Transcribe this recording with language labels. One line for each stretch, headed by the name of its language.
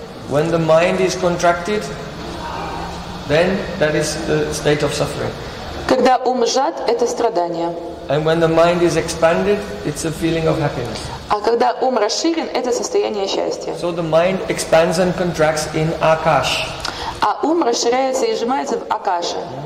English: When the mind is contracted, then that is the state of suffering.
Russian: Когда ум сжат, это страдание.
English: And when the mind is expanded, it's a feeling of happiness.
Russian: А когда ум расширен, это состояние счастья.
English: So the mind expands and contracts in Akash.
Russian: А ум расширяется и сжимается в Акаше.